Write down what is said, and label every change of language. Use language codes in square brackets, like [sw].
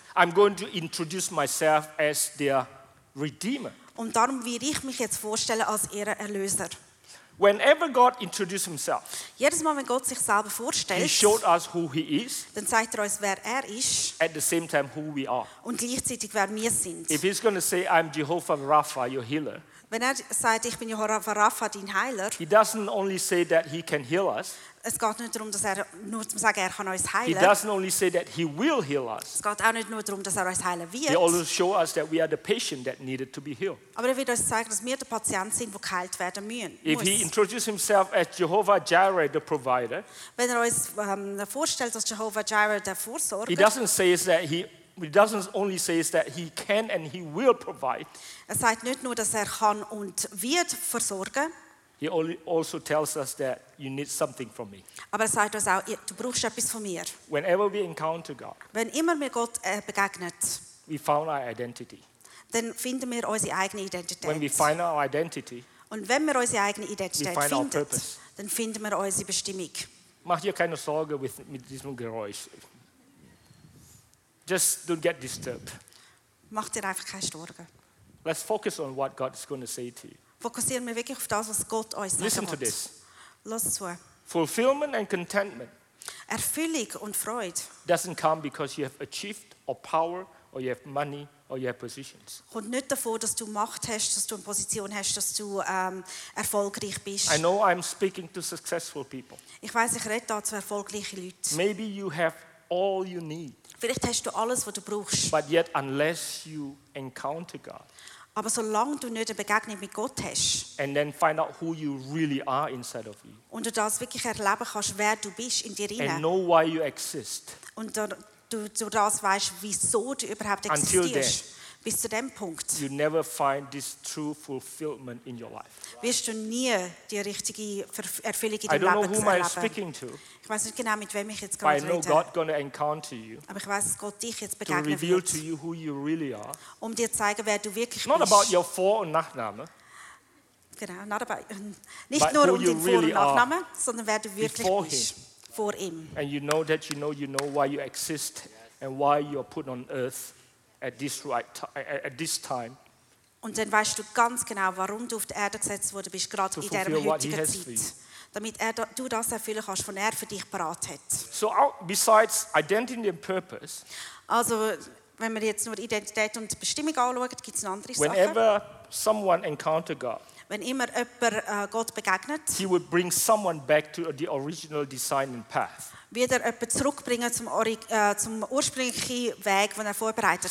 [en] I'm going to introduce myself as their Redeemer. [de] Und darum werde ich mich jetzt vorstellen als ihren Erlöser. [en] Whenever God introduced himself, [de] jedes Mal, wenn Gott sich selber vorstellt, [en] he showed us who he is, [de] dann zeigt er uns, wer er ist, [en] at the same time who we are. [de] Und gleichzeitig, wer wir sind. [en] If he's going to say, I'm Jehovah Rapha, your healer, [de] wenn er sagt, ich bin Jehovah Rapha, dein Heiler, [en] he doesn't only say that he can heal us, [de] es geht nicht darum, dass er nur zu sagen, er kann uns heilen. [en] He doesn't only say that he will heal us. [de] Es geht auch nicht nur darum, dass er uns heilen wird. [en] He also show us that we are the patient that needed to be healed. [de] Aber er wird uns zeigen, dass wir der Patient sind, wo geheilt werden müssen. [en] If he introduces himself as Jehovah Jireh, the provider, [de] wenn er uns vorstellt, dass Jehovah Jireh der Vorsorger, [en] he doesn't say that he doesn't only say that he can and he will provide. [de] Er sagt nicht nur, dass er kann und wird versorgen. [en] He also tells us that you need something from me. [de] Aber er sagt uns auch, du brauchst etwas von mir. [en] Whenever we encounter God, [de] wenn immer wir Gott begegnet, [en] we found our identity. [de] Dann finden wir unsere eigene Identität. [en] When we find our identity, [de] und wenn wir unsere eigene Identität [en] we find [de] finden, [en] our purpose. [de] Dann finden wir unsere Bestimmung. Mach dir keine Sorge mit diesem Geräusch. [en] Just don't get disturbed. [de] Mach dir einfach keine Sorgen. [en] Let's focus on what God is going to say to you. [de] Fokussieren wir wirklich auf das, was Gott uns sagt. [en] Listen to this. [de] Lass zu. [en] Fulfillment and contentment. [de] Erfüllung und Freude. [en] Doesn't come because you have achieved or power or you have money or you have positions. [de] Kommt nicht davon, dass du Macht hast, dass du eine Position hast, dass du erfolgreich bist. [en] I know I'm speaking to successful people. [de] Ich weiß, ich rede da zu erfolgreichen Leuten. [en] Maybe you have all you need. [de] Vielleicht hast du alles, was du brauchst. [en] But yet, unless you encounter God. [de] Aber solange du nicht eine Begegnung mit Gott hast, [en] and then find out who you really are inside of you, [de] und du das wirklich erleben kannst, wer du bist in dir [en] and know why you exist, [de] und du das weißt, wieso du überhaupt existierst, [en] until then, [de] bis zu dem Punkt, [en] you never find this true fulfillment in your life. [de] Wirst du nie die richtige Erfüllung in deinem Leben erleben. [en] I don't know who I'm speaking to. [de] Ich weiß nicht genau, mit wem ich jetzt gerade rede. [en] I know God's gonna encounter you. [de] Aber ich weiß, Gott dich jetzt begegnen wird. [en] To reveal to you who you really are. [de] Um dir zeigen, wer du wirklich bist. [en] Not about your Vor- und Nachname. [de] Genau, [en] not about, [de] nicht nur um den [en] really [de] Vor- und Nachname, sondern wer du wirklich bist. [en] Him. [de] Vor ihm. [en] And you know that you know why you exist and why you are put on earth at this right at this time. [de] Und dann weißt du ganz genau, warum du auf die Erde gesetzt wurde, bist gerade in der heutigen Zeit, damit du das erfüllen kannst, was für dich parat hat. [en] So besides identity and purpose. [de] Also wenn wir jetzt nur Identität und Bestimmung anschauen, gibt es noch andere Sachen. [en] Whenever someone encounters God. [de] Wenn immer jemand Gott begegnet, [en] he would bring someone back to the original design and path. [de] Wird er jemanden zurückbringen zum ursprünglichen Weg, den er vorbereitet hat.